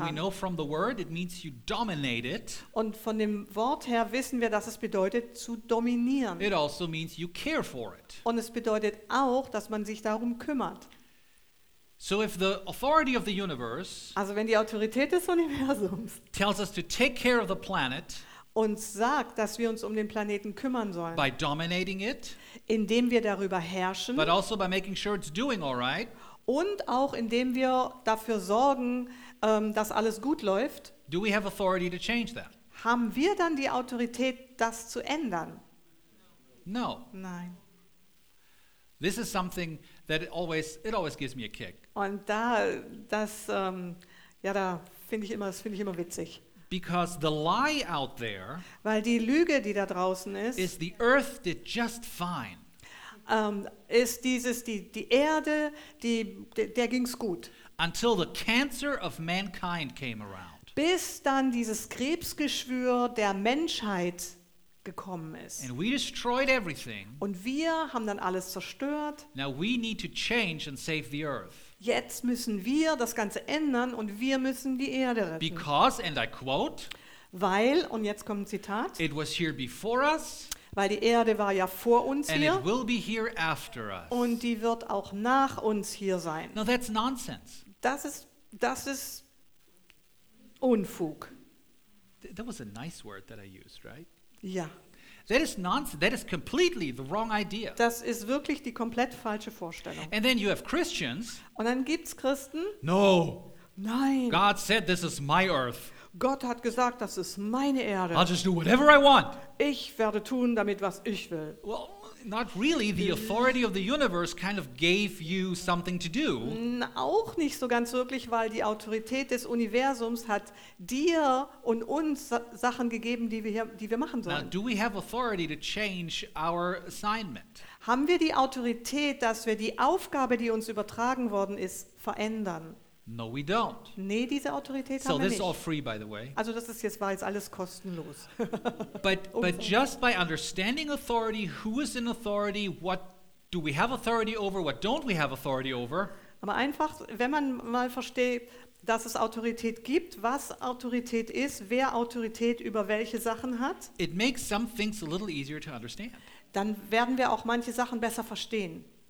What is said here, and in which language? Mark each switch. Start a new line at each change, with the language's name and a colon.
English: And we know from the word, it means you dominate it.
German: Und von dem Wort her wissen wir, dass es bedeutet, zu dominieren.
English: It also means you care for it.
German: Und es bedeutet auch, dass man sich darum kümmert.
English: So if the authority of the universe,
German: also wenn die Autorität des Universums
English: tells us to take care of the planet,
German: uns sagt, dass wir uns um den Planeten kümmern sollen,
English: by dominating it,
German: indem wir darüber herrschen,
English: but also by making sure it's doing all right,
German: und auch indem wir dafür sorgen, dass alles gut läuft,
English: do we have authority to change that?
German: Haben wir dann die Autorität, das zu ändern?
English: No.
German: Nein.
English: This is something that it always gives me a kick.
German: Und da, das, ja, da finde ich immer, das finde ich immer witzig.
English: Because the lie out there,
German: weil die Lüge, die da draußen ist,
English: is the earth did just fine.
German: Ist dieses die Erde, der ging's gut.
English: Until the cancer of mankind came around.
German: Bis dann dieses Krebsgeschwür der Menschheit gekommen ist.
English: And we destroyed everything.
German: Und wir haben dann alles zerstört.
English: Now we need to change and save the earth.
German: Jetzt müssen wir das Ganze ändern und wir müssen die Erde retten.
English: Because, and I quote,
German: weil, und jetzt kommt ein Zitat,
English: it was here before us,
German: weil die Erde war ja vor uns
English: and
German: hier
English: it will be here after us.
German: Und die wird auch nach uns hier sein.
English: Now that's nonsense.
German: Das ist Unfug.
English: That was a nice word that I used, right?
German: Ja.
English: That is nonsense. That is completely the wrong idea.
German: Das ist wirklich die komplett falsche Vorstellung.
English: And then you have Christians.
German: Und dann gibt's Christen.
English: No.
German: Nein.
English: God said this is my earth.
German: Gott hat gesagt, das ist meine Erde.
English: I'll just do whatever I want.
German: Ich werde tun damit, was ich will.
English: Well, not really. The authority of the universe kind of gave you something to do.
German: Auch nicht so ganz wirklich, weil die Autorität des Universums hat dir und uns Sachen gegeben, die wir machen sollen.
English: Now, do we have authority to change our assignment?
German: Haben wir die Autorität, dass wir die Aufgabe, die uns übertragen worden ist, verändern?
English: No, we don't.
German: Nee, diese Autorität
English: so
German: haben
English: this Is all free, by the way.
German: Also das ist jetzt, war jetzt alles kostenlos.
English: but just by understanding authority, who is in authority, what do we have authority over, what don't we have authority over?
German: Aber einfach, wenn man mal versteht, dass es Autorität gibt, was Autorität ist, wer Autorität über welche Sachen hat.
English: It makes some things a little easier to understand.
German: Dann werden wir auch manche Sachen besser verstehen.